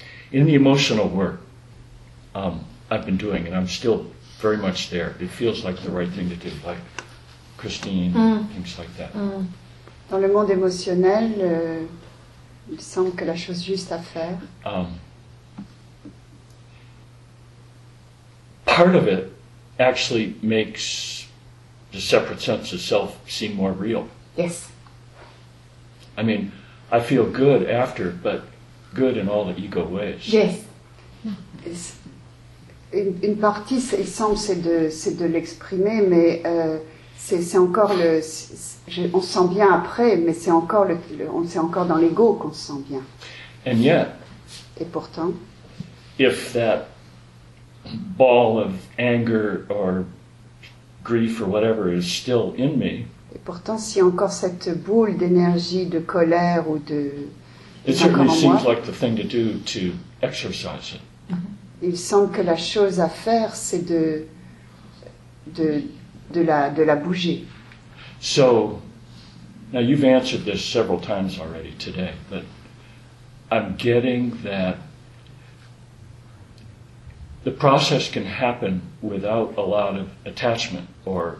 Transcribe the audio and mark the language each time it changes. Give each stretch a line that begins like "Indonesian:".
English: In the emotional work I've been doing, and I'm still very much there, it feels like the right thing to do, like Christine, things like that.
French: Dans le monde émotionnel, il semble que la chose juste à faire.
English: Part of it actually makes the separate sense of self seem more real. Yes. I mean, I feel good after, but good in all the ego ways. Yes.
French: Une partie, c'est, il semble, c'est de l'exprimer, mais c'est encore le. C'est, on sent bien après, mais c'est encore le. On sait encore dans l'ego qu'on se sent bien.
English: And yet,
French: et pourtant,
English: if that ball of anger or grief or whatever is still in me.
French: Et pourtant, si encore cette boule d'énergie de colère ou de.
English: It certainly seems like the thing to do to exercise it.
French: Il semble que la chose à faire, c'est de la bouger.
English: So, now you've answered this several times already today, but I'm getting that the process can happen without a lot of attachment, or